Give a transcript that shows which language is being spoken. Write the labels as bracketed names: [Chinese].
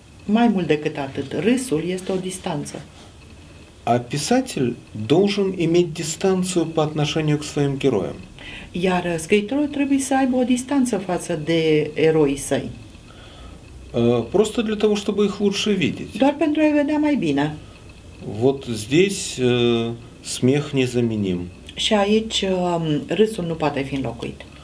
[Romanian] Mai mult decât atât, râsul este o distanță. [Russian] А писатель должен иметь дистанцию по отношению к своим героям. [Romanian] Iar scriitorul trebuie să aibă o distanță față de eroii săi. [Russian] Просто для того, чтобы их лучше видеть. [Romanian] Doar pentru a-i vedea mai bine. [Russian] Вот здесь смех незаменим. [Romanian] Și aici râsul nu poate fi înlocuit.